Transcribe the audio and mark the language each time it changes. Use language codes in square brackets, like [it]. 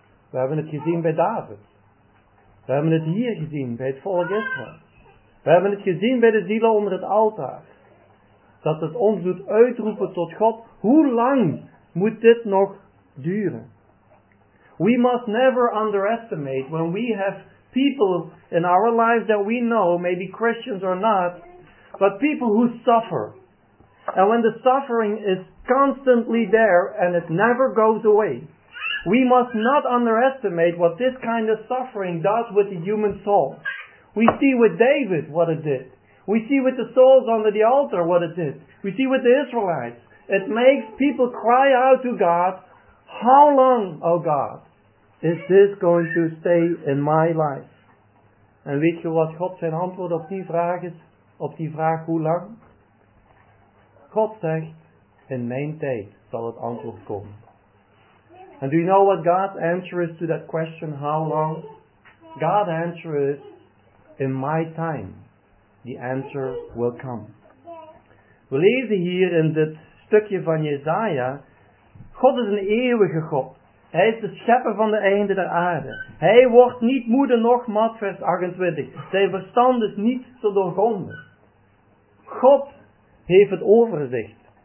[nl] We hebben het gezien bij David. We hebben het hier gezien bij het volk Israël. We hebben het gezien bij de zielen onder het altaar. Dat het ons doet uitroepen tot God. Hoe lang moet dit nog duren? [en] We must never underestimate when we have people in our lives that we know, maybe Christians or not, but people who suffer. And when the suffering is constantly there and it never goes away, we must not underestimate what this kind of suffering does with the human soul. We see with David what it did. We see with the souls under the altar what it did. We see with the Israelites. It makes people cry out to God, how long, O God, is this going to stay in my life? [nl] En weet je wat God zijn antwoord op die vraag is? Op die vraag hoe lang? God zegt, in mijn tijd zal het antwoord komen. [en] And do you know what God's answer is to that question, how long? God's answer is, in my time, the answer will come. [nl] We lezen hier in dit stukje van Jesaja, God is een eeuwige God. Hij is de schepper van de einde der aarde. Hij wordt niet moede nog mat, vers 28. Zijn verstand is niet te doorgronden. God heeft het overzicht.